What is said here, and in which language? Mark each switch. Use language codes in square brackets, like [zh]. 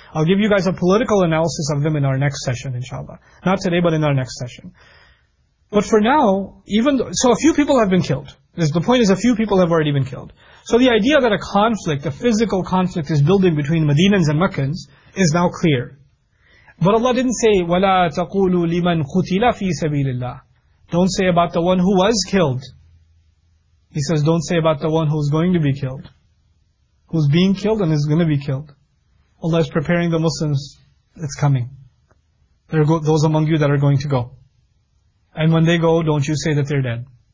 [en] I'll give you guys a political analysis of them in our next session, inshallah. Not today, but in our next session. But for now, a few people have been killed. The point is, a few people have already been killed. So the idea that a conflict, a physical conflict, is building between Medinans and Meccans is now clear. But Allah didn't say, [ar] وَلَا تَقُولُوا لِمَنْ قُتِلَ فِي سَبِيلِ اللَّهِ. [en] Don't say about the one who was killed. He says, don't say about the one who's going to be killed. Who's being killed and is going to be killed. Allah is preparing the Muslims. It's coming. There are those among you that are going to go. And when they go, don't you say that they're dead.